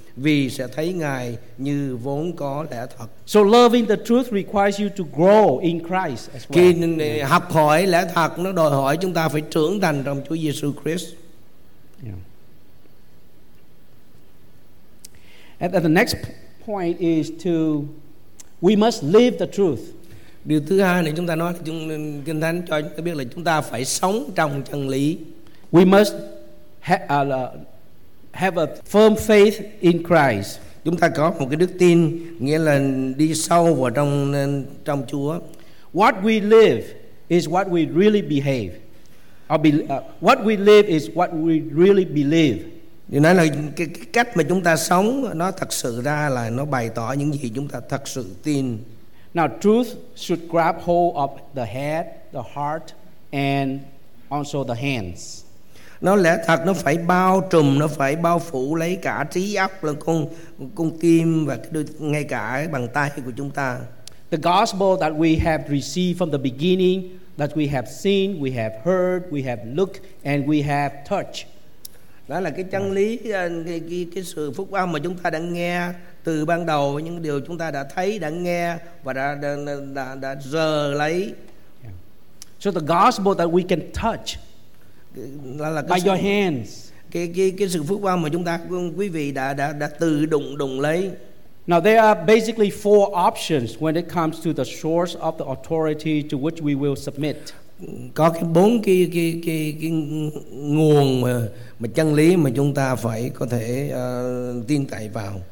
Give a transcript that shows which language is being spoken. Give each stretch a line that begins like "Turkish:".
Vietnamese: vì sẽ thấy Ngài như vốn có lẽ thật.
English: So loving the truth requires you to grow in Christ as well.
Vietnamese: Khi học hỏi lẽ thật nó đòi hỏi chúng ta phải trưởng thành trong Chúa Giêsu Christ.
English: And then the next point is to we must live the truth.
Vietnamese: Điều thứ hai này chúng ta nói chúng Kinh Thánh cho chúng ta biết là chúng ta phải sống trong chân lý.
English: We must have a firm faith in Christ.
Vietnamese: Chúng ta có một cái đức tin, nghĩa là đi sâu vào trong Chúa.
English: What we live is what we really behave. What we live is what we really believe.
Vietnamese: Điều này là cái cách mà chúng ta sống, nó thật sự ra là nó bày tỏ những gì chúng ta thật sự tin.
English: Now truth should grab hold of the head, the heart, and also the hands.
Vietnamese: Nó lẽ thật nó phải bao trùm, nó phải bao phủ lấy cả trí óc lẫn con tim và ngay cả bàn tay của chúng ta.
English: The gospel that we have received from the beginning, that we have seen, we have heard, we have looked, and we have touched.
Vietnamese: Đó là cái chân lý, cái sự phúc âm mà chúng ta đã nghe từ ban đầu, những điều chúng ta đã thấy, đã nghe và đã giờ lấy.
English: So the gospel that we can touch
Vietnamese: là
English: by your hands.
Vietnamese: Cái sự phúc âm mà chúng ta quý vị đã từ đụng lấy.
English: Now there are basically four options when it comes to the source of the authority to which we will submit.
Vietnamese: Có cái bốn cái nguồn mà chân lý mà chúng ta phải có thể tin cậy vào.